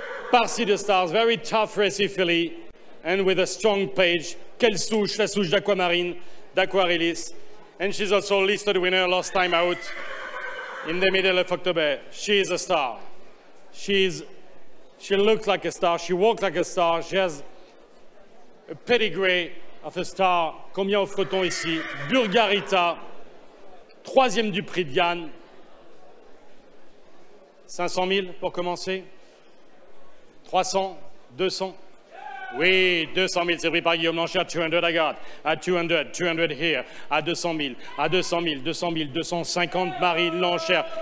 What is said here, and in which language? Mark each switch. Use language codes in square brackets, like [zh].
[en] Par Cedar Stars, very tough racy filly. And with a strong page. [fr] Quelle souche, la souche d'Aquamarine, d'Aquarilis. [en] And she's also a listed winner last time out in the middle of October. She is a star. She looks like a star. She walks like a star. She has a pedigree of a star. [fr] Combien offre-t-on ici? Burgarita, troisième du prix Diane. 500 000 pour commencer. 300, 200. Oui, 200 000, c'est pris par Guillaume Lanchard, 200, [en] I got, [fr] à 200, 200 here, à 200 000, à 200 000, 200 000, 250, Marie Lanchard,